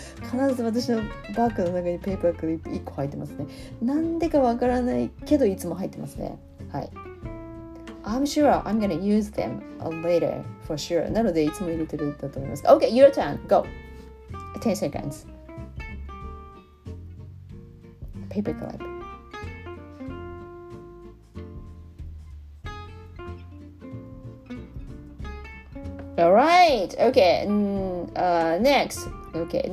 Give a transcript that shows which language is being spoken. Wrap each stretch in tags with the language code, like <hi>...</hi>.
<ja>必ず私のバッグの中にペーパークリップ1個入ってますね。なんでかわからないけど、いつも入ってますね。はい。</ja> <en>I'm sure I'm gonna use them later for sure.</en> <ja>なので、いつも入れてるんだと思います。</ja> <en>OK, your turn. Go. 10 seconds.</en> <ja>ペーパークリップ。</ja> <en>All right. Okay. Next. Okay.</en>